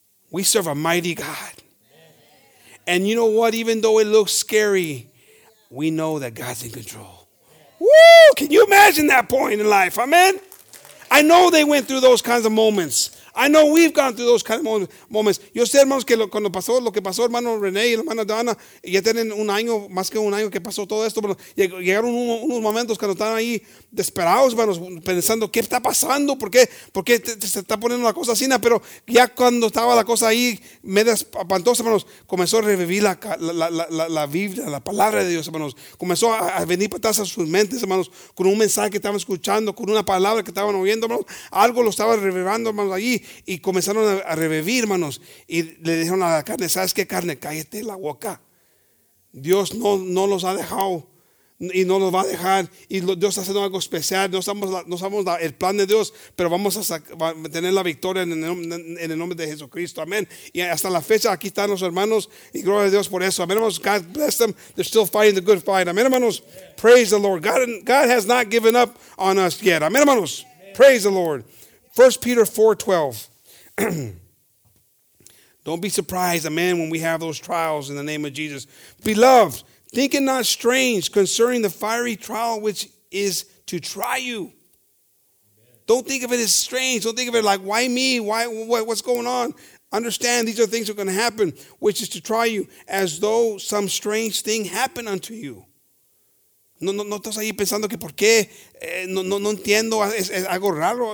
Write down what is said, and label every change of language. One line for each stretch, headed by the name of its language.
English: We serve a mighty God. And you know what? Even though it looks scary, we know that God's in control. Woo! Can you imagine that point in life? Amen? I know they went through those kinds of moments. I know we've gone through those kind of moments.
Spanish: Yo sé, hermanos, que cuando pasó lo que pasó, hermano René y hermana Dana, ya tienen un año, más que un año que pasó todo esto, pero llegaron unos momentos cuando estaban ahí desesperados, hermanos, pensando, ¿qué está pasando? ¿Por qué se está poniendo la cosa así? Pero ya cuando estaba la cosa ahí, media espantosa, hermanos, comenzó a revivir la Biblia, la palabra de Dios, hermanos. Comenzó a venir para atrás a sus mentes, hermanos, con un mensaje que estaban escuchando, con una palabra que estaban oyendo, hermanos. Algo lo estaba revivando, hermanos, ahí. Y comenzaron a revivir, hermanos, y le dijeron a la carne: ¿sabes qué, carne? Cállate la boca. Dios no los ha dejado y no los va a dejar, y Dios está haciendo algo especial. No somos el plan de Dios, pero vamos a tener la victoria en el nombre de Jesucristo. Amén. Y hasta la fecha aquí están los hermanos, y gloria a Dios por eso. Amén, hermanos.
English: God bless them. They're still fighting the good fight. Amén, hermanos. Amen. Praise the Lord. God has not given up on us yet.
Spanish: Amén, hermanos.
English: Amen. Praise the Lord. 1 Peter 4:12. Don't be surprised, amen, when we have those trials in the name of Jesus. Beloved, think it not strange concerning the fiery trial which is to try you. Amen. Don't think of it as strange. Don't think of it like, why me? Why? What's going on? Understand these are things that are going to happen, which is to try you, as though some strange thing happened unto you.
Spanish: No estás ahí pensando que por qué, no entiendo, es algo raro.